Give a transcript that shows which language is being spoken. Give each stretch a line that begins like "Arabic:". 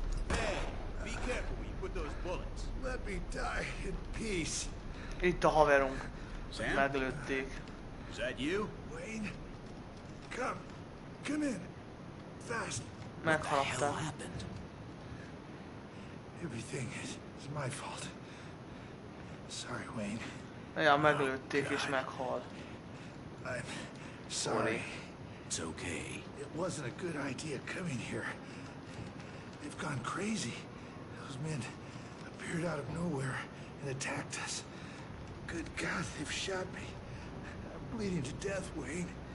English: Hey, be careful when you put those bullets. Let me die in peace.
Hungarian: Itt a haverunk. Sam? Meglőtték.
English: Is that you? Wayne? Come, Come in. Fast. What the hell happened? Everything is my fault. Sorry, Wayne.
Hungarian: Yeah, meglőtték és meghalt.
English: I'm sorry. It's okay. It wasn't a good idea coming here. They've gone crazy. Those men appeared out of nowhere and attacked us. Good God, they've shot me. I'm bleeding to death, Wayne.